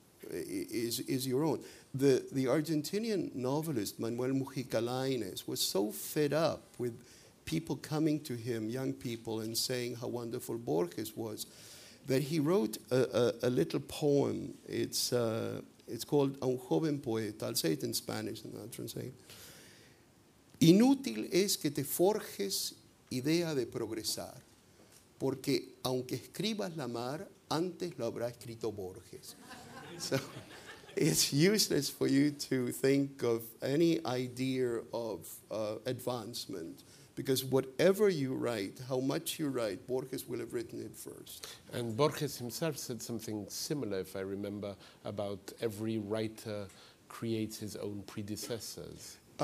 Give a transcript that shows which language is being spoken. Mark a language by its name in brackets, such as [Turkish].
[English] is your own. The Argentinian novelist Manuel Mujica Lainez was so fed up with people coming to him, young people, and saying how wonderful Borges was, that he wrote a little poem. It's called A un joven poeta. I'll say it in Spanish and I'll translate. [Spanish] Inútil es que te forjes idea de progresar, porque aunque escribas la mar, antes lo habrá escrito Borges. [English] So it's useless for you to think of any idea of advancement, because whatever you write, how much you write, Borges will have written it first. And Borges himself said something similar, if I remember, about every writer creates his own predecessors.